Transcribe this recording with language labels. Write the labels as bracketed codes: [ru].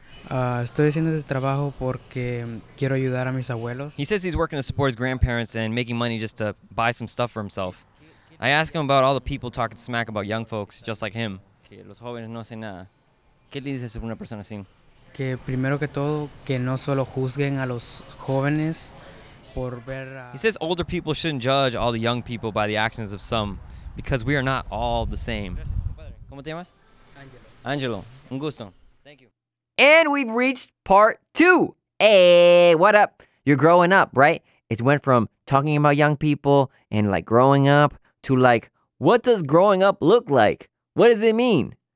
[es] Estoy haciendo este trabajo porque quiero ayudar a mis abuelos. [en] He says he's working to support his grandparents and making money just to buy some stuff for himself. I ask him about all the people talking smack about young folks, just like him. [es] Que los jóvenes no hacen nada. ¿Qué le dices a una persona así? Que primero que todo, que no solo juzguen a los jóvenes por ver... [en] He says older people shouldn't judge all the young people by the actions of some, because we are not all the same. [es] ¿Cómo te llamas? Angelo. Un gusto. [en] Thank you. And we've reached part two. Hey, what up? You're growing up, right? It went from talking about young people and like growing up, to like, what does growing up look like? What does it mean?